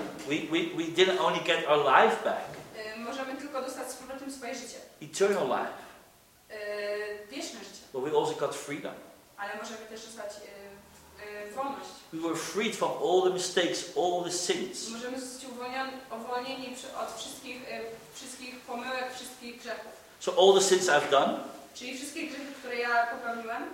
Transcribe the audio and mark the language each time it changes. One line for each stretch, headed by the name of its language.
English: We didn't only get our life back.
Polish: Możemy tylko dostać z powrotem swoje życie.
English: Eternal life.
Polish: Wieczne życie.
English: But we also got freedom.
Polish: Ale możemy też dostać wolność.
English: We were freed from all the mistakes, all the sins.
Polish: Możemy zostać uwolnieni od wszystkich pomyłek, wszystkich grzechów.
English: So all the sins I've done.
Polish: Czyli wszystkie grzechy, które ja popełniłem.